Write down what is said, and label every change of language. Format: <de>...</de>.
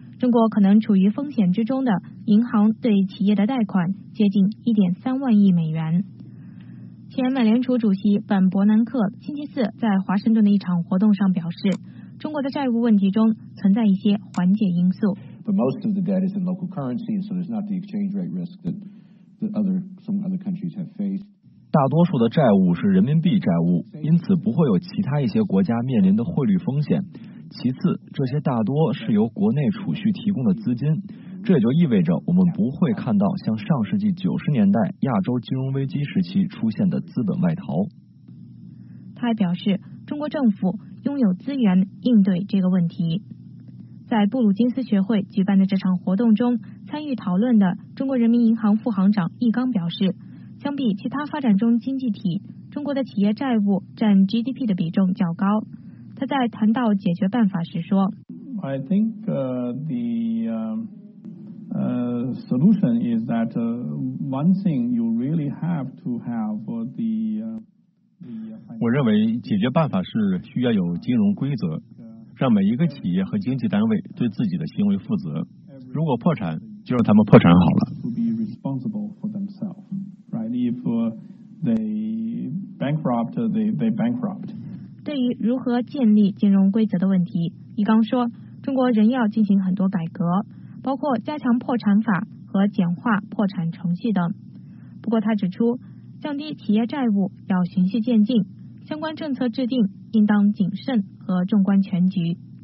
<zh>中国可能处于风险之中的银行对企业的贷款接近1.3万亿美元。前美联储主席本伯南克星期四在华盛顿的一场活动上表示，中国的债务问题中存在一些缓解因素。</zh> <en>But most of the debt is in local currency, so there's not the exchange rate risk that some other countries have faced.</en> <zh>大多数的债务是人民币债务，因此不会有其他一些国家面临的汇率风险。其次，这些大多是由国内储蓄提供的资金，这也就意味着我们不会看到像上世纪90年代亚洲金融危机时期出现的资本外逃。他还表示，中国政府拥有资源应对这个问题。在布鲁金斯学会举办的这场活动中，参与讨论的中国人民银行副行长易纲表示，相比其他发展中经济体，中国的企业债务占 GDP 的比重较高。他在谈到解决办法时说</zh> <en>I think the solution is that one thing you really have to have the</en> <zh>我认为解决办法是需要有金融规则，让每一个企业和经济单位对自己的行为负责。如果破产，就让他们破产好了。</zh> <en>If they bankrupt, they bankrupt.</en> <zh>对于如何建立金融规则的问题，易纲说，中国仍要进行很多改革，包括加强破产法和简化破产程序等。不过他指出，降低企业债务要循序渐进，相关政策制定应当谨慎和纵观全局。</zh>